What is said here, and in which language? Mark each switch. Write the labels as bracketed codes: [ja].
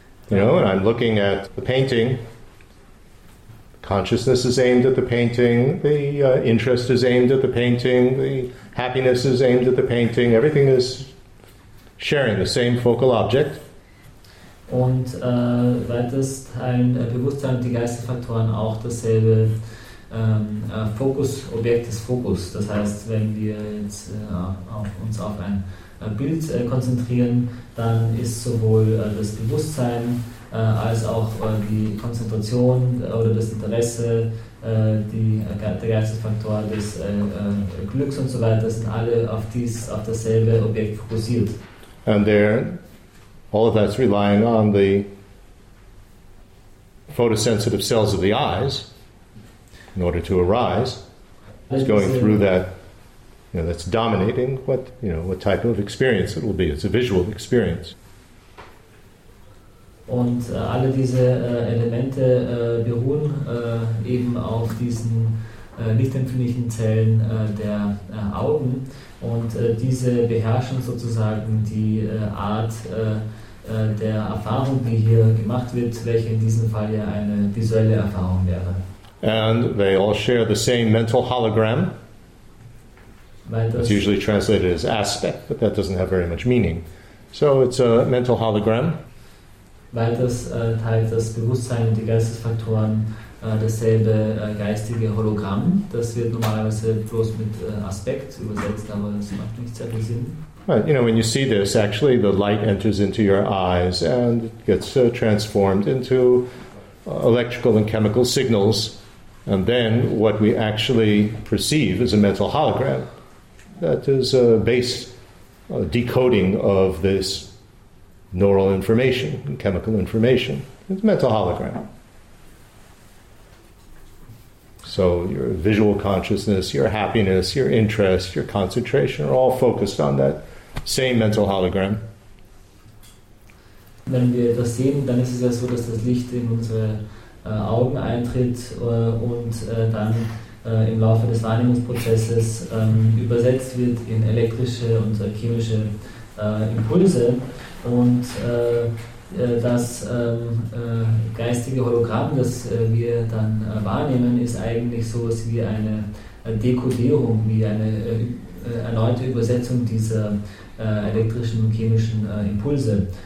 [en] You know, when I'm looking at the painting, consciousness is aimed at the painting, the interest is aimed at the painting, the happiness is aimed at the painting, everything is sharing the same focal object. [de] Und weiters teilen Bewusstsein und die Geistesfaktoren auch dasselbe Fokus, Objekt des Fokus. Das heißt, wenn wir jetzt uns auf ein Bild konzentrieren, dann ist sowohl das Bewusstsein als auch die Konzentration oder das Interesse, der Geistesfaktor des Glücks und so weiter, sind alle auf dasselbe Objekt fokussiert. [en] And there, all of that's relying on the photosensitive cells of the eyes in order to arise. It's going through that, you know, that's dominating what, you know, what type of experience it will be. It's a visual experience. [de] Und alle diese Elemente beruhen eben auf diesen lichtempfindlichen Zellen der Augen, und diese beherrschen sozusagen die Art der Erfahrung, die hier gemacht wird, welche in diesem Fall ja eine visuelle Erfahrung wäre. [en] And they all share the same mental hologram. It's usually translated as aspect, but that doesn't have very much meaning. So it's a mental hologram. [de] Weil das teilt das Bewusstsein und die Geistesfaktoren dasselbe geistige Hologramm. Das wird normalerweise bloß mit Aspekt übersetzt, aber das macht nicht sehr viel Sinn. [en] But, you know, when you see this, actually the light enters into your eyes and gets transformed into electrical and chemical signals, and then what we actually perceive is a mental hologram that is a base decoding of this neural information, chemical information. It's a mental hologram. So your visual consciousness, your happiness, your interest, your concentration are all focused on that same mental hologram. [de] Wenn wir das sehen, dann ist es ja so, dass das Licht in unsere Augen eintritt und dann im Laufe des Wahrnehmungsprozesses übersetzt wird in elektrische und chemische Impulse. Und das geistige Hologramm, das wir dann wahrnehmen, ist eigentlich so etwas wie eine Dekodierung, wie eine erneute Übersetzung dieser elektrischen und chemischen Impulse.